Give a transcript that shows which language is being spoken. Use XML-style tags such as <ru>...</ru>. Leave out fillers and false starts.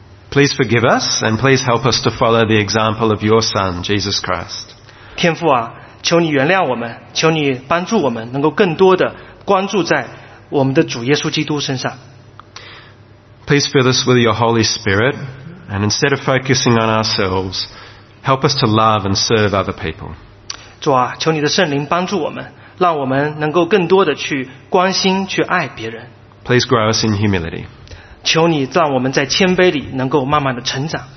<en>Please forgive us, and please help us to follow the example of your Son, Jesus Christ.</en> <zh>天父啊，求你原谅我们，求你帮助我们，能够更多的关注在我们的主耶稣基督身上。</zh> <en>Please fill us with your Holy Spirit, and instead of focusing on ourselves, help us to love and serve other people.</en> <zh>主啊，求你的圣灵帮助我们，让我们能够更多的去关心、去爱别人。</zh> <en>Please grow us in humility.</en> <zh>求你让我们在谦卑里能够慢慢的成长。</zh>